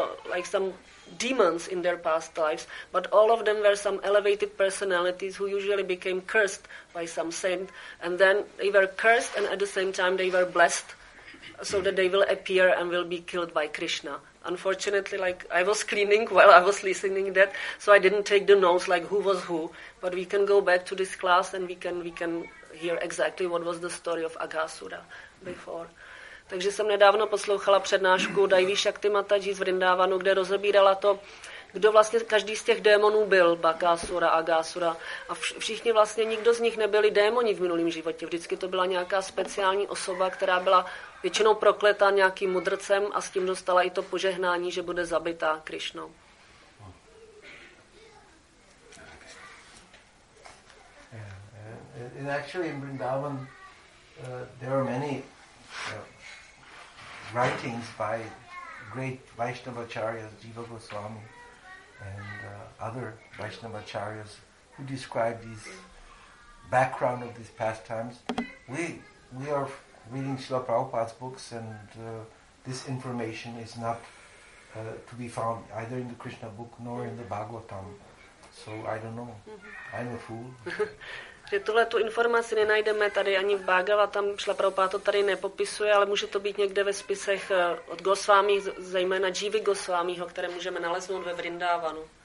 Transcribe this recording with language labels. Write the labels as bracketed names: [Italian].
[English] like some demons in their past lives, but all of them were some elevated personalities who usually became cursed by some saint, and then they were cursed and at the same time they were blessed, so that they will appear and will be killed by Krishna. Unfortunately, like I was cleaning while I was listening that, so I didn't take the notes like who was who. But we can go back to this class and we can hear exactly what was the story of Agasura before. [Czech] Takže jsem nedávno poslouchala přednášku Daivishakti Mataji z Vrindavanu, kde rozebírala to, kdo vlastně každý z těch démonů byl, Bakasura, Agasura. A všichni vlastně, nikdo z nich nebyli démoni v minulém životě. Vždycky to byla nějaká speciální osoba, která byla většinou prokletá nějakým mudrcem a s tím dostala i to požehnání, že bude zabita Krišnou. [English] In actually in Vrindavan there are many writings by great Vaishnava acharyas, Jiva Goswami and other Vaishnava acharyas who describe these background of these pastimes. We are reading Srila Prabhupada's books and this information is not to be found either in the Krishna book nor in the Bhagavatam. So I don't know. I'm a fool. [Czech] Že tuhle tu informaci nenajdeme tady ani v Bhagavatam, Šla Prabhupáda to tady nepopisuje, ale může to být někde ve spisech od Gosvámí, zejména Jivy Gosvámího, které můžeme naleznout ve Vrindávanu.